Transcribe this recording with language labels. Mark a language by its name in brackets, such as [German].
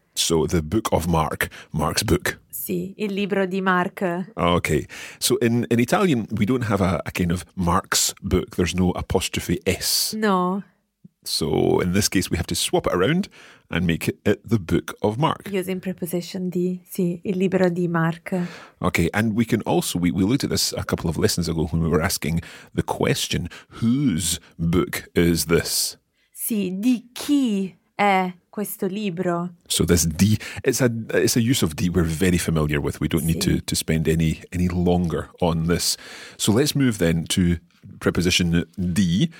[English] So, the book of Mark, Mark's book. [Italian] Sì, il libro di Mark. [English] Okay. So in Italian, we don't have a kind of Mark's book. There's no apostrophe S. No. So in this case, we have to swap it around and make it the book of Mark. Using preposition [Italian] di, sì, il libro di Mark. [English] Okay. And we can also, we looked at this a couple of lessons ago when we were asking the question, whose book is this? [Italian] Sì, di chi è questo libro. [English] So this D, it's a use of D we're very familiar with. We don't [Italian] sì. [English] Need to spend any longer on this. So let's move then to preposition D